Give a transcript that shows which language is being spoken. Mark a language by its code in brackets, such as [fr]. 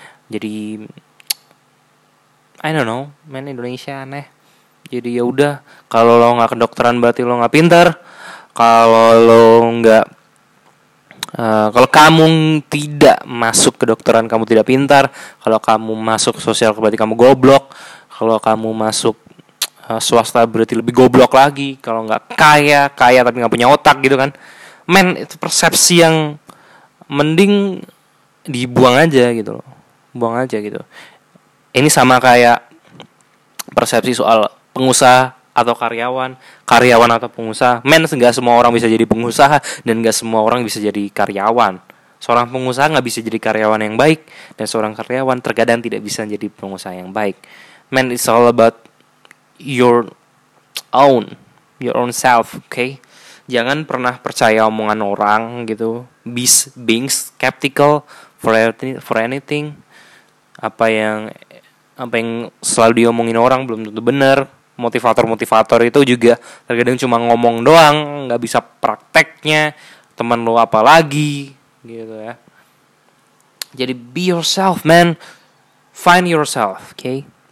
[en] Jadi I don't know, man, [id] Indonesia aneh. Jadi ya udah, kalau lo enggak kedokteran berarti lo enggak pintar. Kalau lo enggak kalau kamu tidak masuk kedokteran, kamu tidak pintar. Kalau kamu masuk sosial, berarti kamu goblok. Kalau kamu masuk swasta, berarti lebih goblok lagi. Kalau gak kaya, kaya tapi gak punya otak gitu kan. Men, itu persepsi yang mending dibuang aja gitu loh. Buang aja gitu. Ini sama kayak persepsi soal pengusaha atau karyawan, karyawan atau pengusaha. Men, gak semua orang bisa jadi pengusaha dan gak semua orang bisa jadi karyawan. Seorang pengusaha gak bisa jadi karyawan yang baik, dan seorang karyawan terkadang tidak bisa jadi pengusaha yang baik. [en] Men, it's all about your own self, okay? [id] jangan pernah percaya omongan orang gitu. [en] Being skeptical for anything. [id] Apa yang selalu diomongin orang belum tentu benar. Motivator-motivator itu juga terkadang cuma ngomong doang, enggak bisa prakteknya. Teman lo apalagi gitu ya. Jadi [en] be yourself, man. Find yourself, okay?